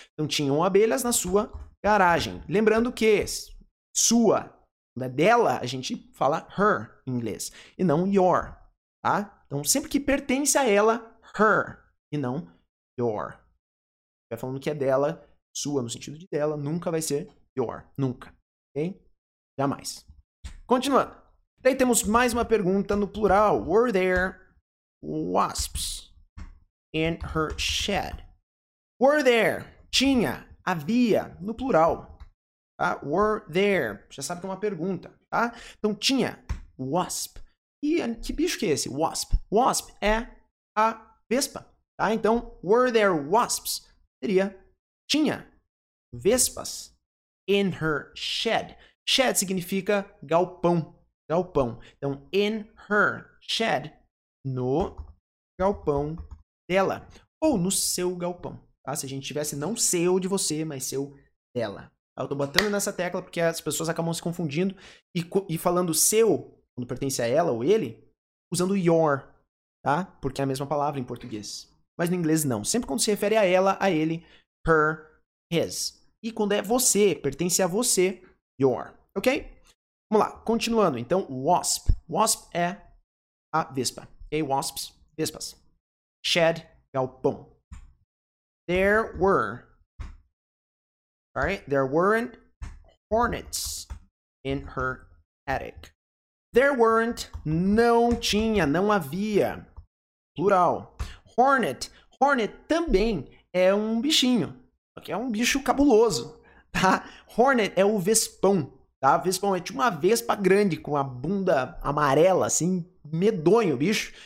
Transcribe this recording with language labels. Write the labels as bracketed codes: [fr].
[pt] Então, tinham abelhas na sua garagem. Lembrando que sua, da dela, a gente fala her em inglês e não your, tá? Então, sempre que pertence a ela, her e não your. Já falando que é dela, sua no sentido de dela, nunca vai ser your, nunca, ok? Jamais. Continuando. Daí temos mais uma pergunta no plural. [en] Were there wasps in her shed? Were there, [pt] tinha, havia, no plural. Tá? [en] Were there? [pt] Já sabe que é uma pergunta, tá? Então, tinha wasp. E que bicho que é esse? Wasp. Wasp é a vespa, tá? Então, [en] were there wasps? [pt] Seria, tinha vespas [en] in her shed. [pt] Shed significa galpão. Galpão. Então, [en] in her shed, [pt] no galpão dela. Ou no seu galpão, tá? Se a gente tivesse não seu de você, mas seu dela. Eu tô botando nessa tecla porque as pessoas acabam se confundindo e falando seu, quando pertence a ela ou ele, usando your, tá? Porque é a mesma palavra em português. Mas no inglês, não. Sempre quando se refere a ela, a ele, her, his. E quando é você, pertence a você, your. Ok? Vamos lá. Continuando. Então, wasp. Wasp é a vespa. Ok? Wasps, vespas. Shed, galpão. [en] There were... Alright, there weren't hornets in her attic. There weren't, [pt] não tinha, não havia. Plural. Hornet também é um bichinho, ok? que é um bicho cabuloso, tá? Hornet é o vespão, tá? Vespão é tipo uma vespa grande com a bunda amarela, assim, medonho, bicho.